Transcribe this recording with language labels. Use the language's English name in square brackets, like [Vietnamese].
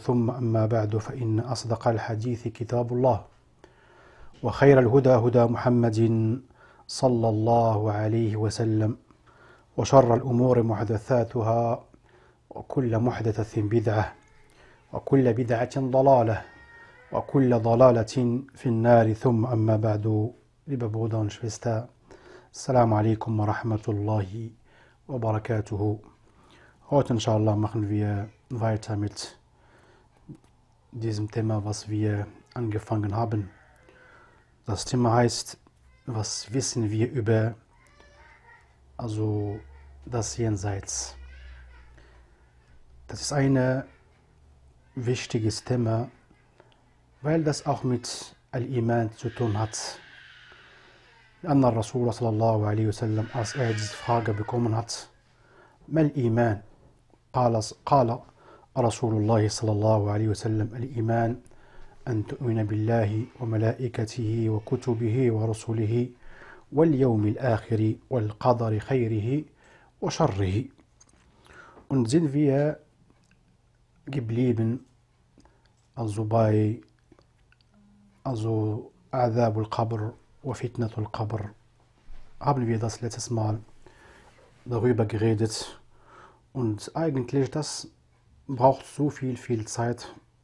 [Arabic] ثم أما بعد، فإن أصدق الحديث كتاب الله، وخير الهدى هدى محمد صلى الله عليه وسلم، وشر الأمور محدثاتها، وكل محدثة بدعة، وكل بدعة ضلالة، وكل ضلالة في النار. ثم أما بعد، لببودان شفستا، السلام عليكم ورحمة الله وبركاته. [German] Heute inshallah machen wir weiter mit diesem Thema, was wir angefangen haben. Das Thema heißt: Was wissen wir über das Jenseits? Das ist ein wichtiges Thema, weil das auch mit Al-Iman zu tun hat. [Arabic] أن الرسول صلى الله عليه وسلم أسأل فرقة بكمن هات ما الإيمان؟ قال رسول الله صلى الله عليه وسلم: الإيمان أن تؤمن بالله وملائكته وكتبه ورسله واليوم الآخر والقدر خيره وشره. [German] Und sind wir geblieben, also [Arabic] عذاب القبر وفتنة القبر. [German] Haben wir das letztes Mal darüber geredet? Und eigentlich, das braucht so viel Zeit.